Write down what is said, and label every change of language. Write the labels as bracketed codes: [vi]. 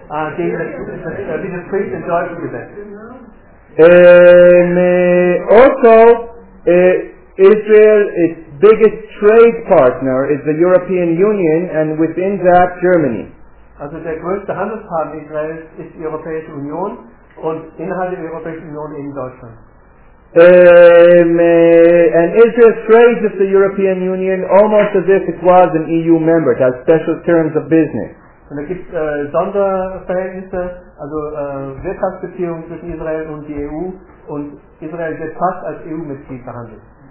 [en] Also, Israel, its biggest trade partner is the European Union, and within that, Germany. [de] Also, der größte Handelspartner Israels ist die Europäische Union, und innerhalb der Europäischen Union in Deutschland. [en] And Israel trades with the European Union almost as if it was an EU member. It has special terms of business. [de] Und es gibt Sonderverhältnisse, also Wirtschaftsbeziehungen zwischen Israel und die EU, und Israel wird fast als EU-Mitglied behandelt.